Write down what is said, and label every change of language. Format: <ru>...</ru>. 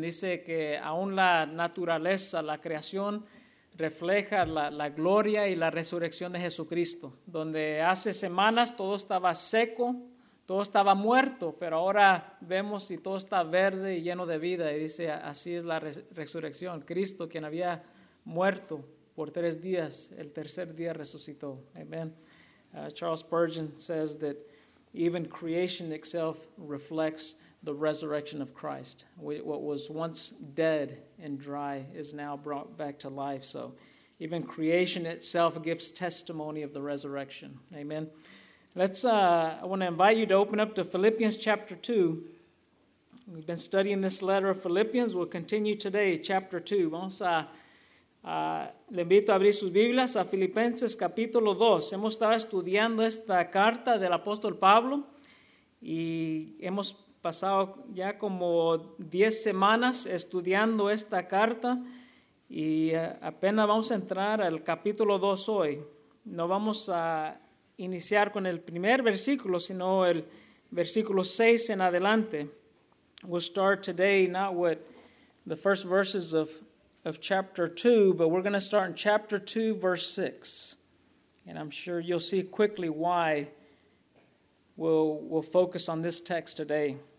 <es>Dice que aún la naturaleza, la creación, refleja la gloria y la resurrección de Jesucristo. Donde hace semanas todo estaba seco, todo estaba muerto, pero ahora vemos si todo está verde y lleno de vida. Y dice, así es la resurrección. Cristo, quien había muerto por 3 días, el tercer día resucitó. Amen.</es> <en>Charles Spurgeon says that even creation itself reflects the resurrection of Christ. What was once dead and dry is now brought back to life. So even creation itself gives testimony of the resurrection. Amen. I want to invite you to open up to Philippians chapter 2. We've been studying this letter of Philippians. We'll continue today, chapter 2.</en> <es>Vamos a, le invito a abrir sus Biblias a Filipenses capítulo 2. Hemos estado estudiando esta carta del apóstol Pablo y hemos pasado ya como 10 semanas estudiando esta carta y apenas vamos a entrar al capítulo 2 hoy. No vamos a iniciar con el primer versículo, sino el versículo 6 en adelante.</es> <en>We'll start today not with the first verses of chapter 2, but we're going to start in chapter 2, verse 6. And I'm sure you'll see quickly why we'll focus on this text today.</en>